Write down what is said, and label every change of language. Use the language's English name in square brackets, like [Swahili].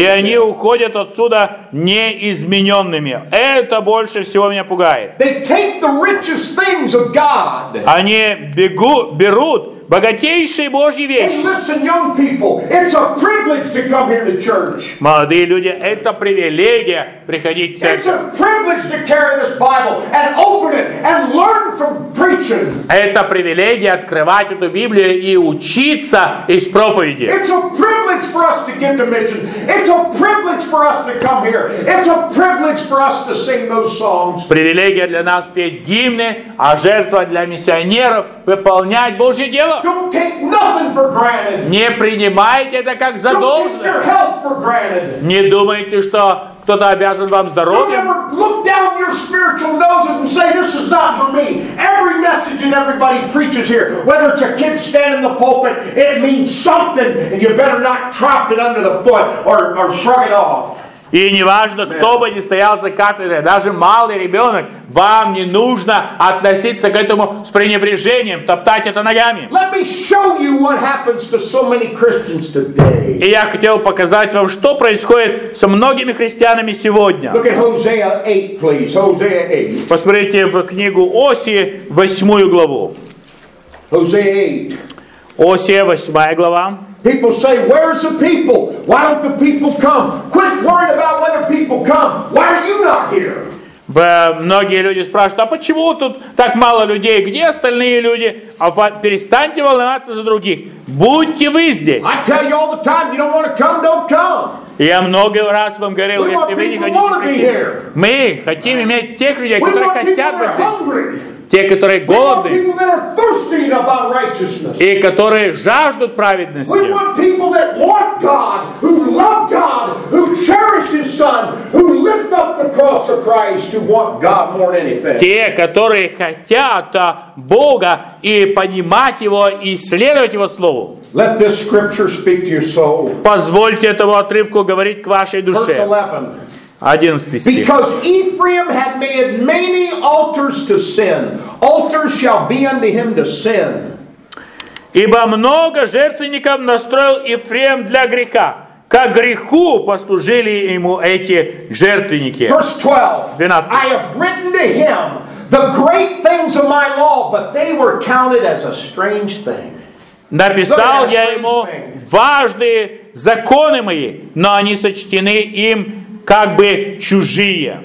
[Russian] И они уходят отсюда неизмененными. Это больше всего меня пугает. [English] Richest things of God. [Russian] Они берут богатейшие Божьи вещи. [English] Hey, listen, young people, it's a privilege to come here to church. [Russian] Молодые люди, это привилегия приходить в церковь. [English] It's a privilege to carry this Bible and open it and learn from preaching. [Russian] Это привилегия открывать эту Библию и учиться из проповеди. [English] It's a privilege for us to give to mission. It's a privilege for us to come here. It's a privilege for us to sing those songs. [Russian] Привилегия для нас петь гимны, а жертва для миссионеров выполнять Божье дело. [English] Don't take nothing for granted. [Russian] Не принимайте это как за должное. [English] Don't take your health for granted. [Russian] Не думайте, что кто-то обязан вам здоровьем. [English] Don't ever look down your spiritual nose and say this is not for me. Every message and everybody preaches here, whether it's a kid standing in the pulpit, it means something, and you better not drop it under the foot or shrug it off. [Russian] И неважно, кто бы ни стоял за кафедрой, даже малый ребенок, вам не нужно относиться к этому с пренебрежением, топтать это ногами. [English] Let me show you what happens to so many Christians today. [Russian] И я хотел показать вам, что происходит со многими христианами сегодня. [English] Look at Hosea 8, please. Hosea 8. [Russian] Посмотрите в книгу Осии, 8 главу. [English] Hosea 8. [Russian] Осия, 8 глава. [English] People say, where's the people? Why don't the people come? Quit worrying about whether people come. Why are you not here? [Russian] Многие люди спрашивают, а почему тут так мало людей? Где остальные люди? А перестаньте волноваться за других. Будьте вы здесь. [English] I tell you all the time, you don't want to come, don't come. [Russian] Я много раз вам говорил, [English] we [Russian] если вы не хотите прийти, мы хотим иметь тех людей, [English] we [Russian] которые хотят быть здесь. [English] Hungry. [Russian] Те, которые голодны, [English] we want people that are thirsty about righteousness. [Russian] И которые жаждут праведности. [English] We want people that want God, who love God, who cherish His Son, who lift up the cross of Christ, who want God more than anything. [Russian] Те, которые хотят Бога и понимать Его и следовать Его Слову. [English] Let this scripture speak to your soul. [Russian] Позвольте этому отрывку говорить к вашей душе. [English] Because Ephraim had made many altars to sin, altars shall be unto him to sin. [Russian] Ибо много жертвенников настроил Ефрем для греха, ко греху послужили ему эти жертвенники. [English] Verse 12. I have written to him the great things of my law, but they were counted as a strange thing. [Russian] Написал я ему важные законы мои, но они сочтены им как бы чужие.